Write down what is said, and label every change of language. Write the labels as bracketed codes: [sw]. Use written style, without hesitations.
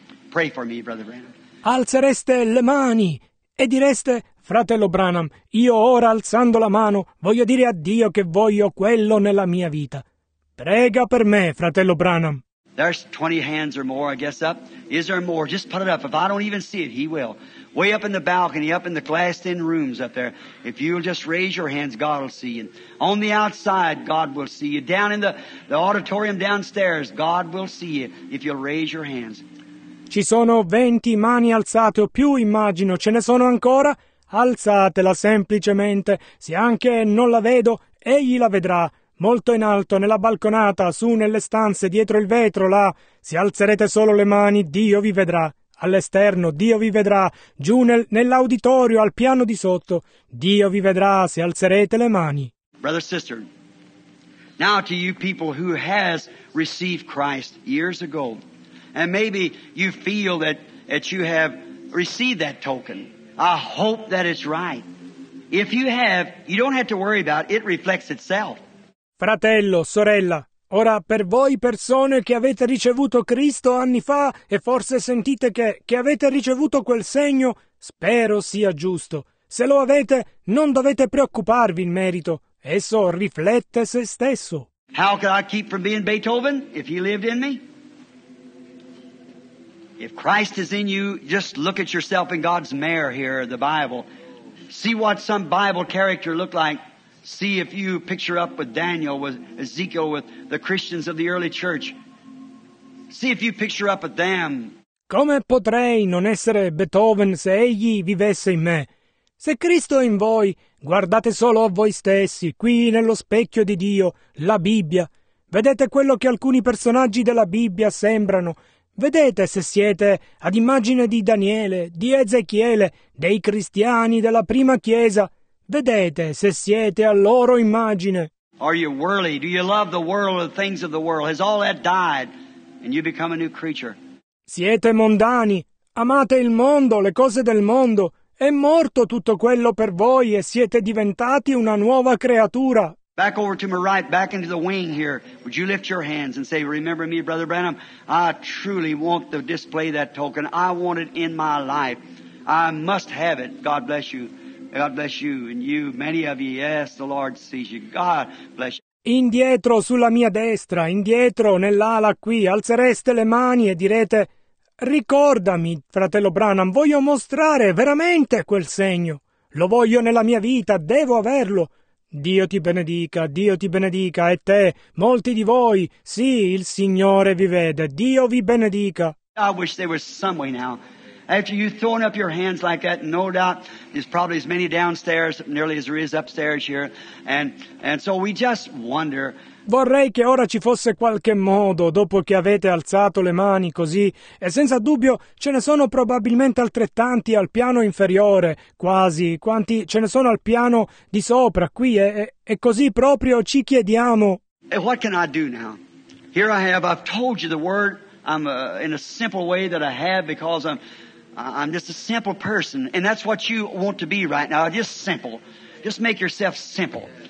[en] Pray for me, Brother Branham. [it] Alzereste le mani e direste, Fratello Branham, io ora alzando la mano voglio dire a Dio che voglio quello nella mia vita. Prega per me, fratello Branham. [en] There's 20 hands or more, I guess, up. Is there more? Just put it up. If I don't even see it, he will. Way up in the balcony, up in the glassed-in rooms up there. If you'll just raise your hands, God will see you. On the outside, God will see you. Down in the auditorium downstairs, God will see you if you'll raise your hands. [it] Ci sono 20 mani alzate o più, immagino. Ce ne sono ancora? Alzatela semplicemente, se anche non la vedo, egli la vedrà, molto in alto, nella balconata, su nelle stanze, dietro il vetro, là, se alzerete solo le mani, Dio vi vedrà, all'esterno, Dio vi vedrà, giù nell'auditorio, al piano di sotto, Dio vi vedrà, se alzerete le mani. [en] Brother, sister, now to you people who has received Christ years ago, and maybe you feel that you have received that token. I hope that it's right. If you have, you don't have to worry about it. It reflects itself. [it] Fratello, sorella, ora per voi persone che avete ricevuto Cristo anni fa e forse sentite che avete ricevuto quel segno, spero sia giusto. Se lo avete, non dovete preoccuparvi in merito. Esso riflette se stesso. [en] How could I keep from being Beethoven if he lived in me? If Christ is in you, just look at yourself in God's mirror here, the Bible. See what some Bible character looked like. See if you picture up with Daniel, with Ezekiel, with the Christians of the early church. See if you picture up with them. [it] Come potrei non essere Beethoven se egli vivesse in me? Se Cristo è in voi, guardate solo a voi stessi, qui nello specchio di Dio, la Bibbia. Vedete quello che alcuni personaggi della Bibbia sembrano. Vedete se siete ad immagine di Daniele, di Ezechiele, dei cristiani della prima chiesa. Vedete se siete a loro immagine. [en] Are you worldly? Do you love the world or the things of the world? Has all that died and you become a new creature? [it] Siete mondani? Amate il mondo, le cose del mondo? È morto tutto quello per voi e siete diventati una nuova creatura? [en] Back over to my right, back into the wing here. Would you lift your hands and say, remember me, Brother Branham? I truly want to display that token. I want it in my life. I must have it. God bless you. God bless you and you, many of you. Yes, the Lord sees you. God bless you. [it] Indietro sulla mia destra, indietro nell'ala qui, alzereste le mani e direte, ricordami, fratello Branham, voglio mostrare veramente quel segno. Lo voglio nella mia vita, devo averlo. Dio ti benedica, Dio ti benedica, e te, molti di voi, sì, il Signore vi vede, Dio vi benedica. [en] I wish there was some way now. After you throwing up your hands like that, no doubt, there's probably as many downstairs, nearly as there is upstairs here, and so we just wonder. [it] Vorrei che ora ci fosse qualche modo, dopo che avete alzato le mani così, e senza dubbio ce ne sono probabilmente altrettanti al piano inferiore, quasi, quanti ce ne sono al piano di sopra, qui, e così proprio ci chiediamo. [en] E what can I do now? Here I have, I've told you the word, I'm in a simple way that I have, because I'm just a simple person, and that's what you want to be right now, just simple. Just make yourself simple.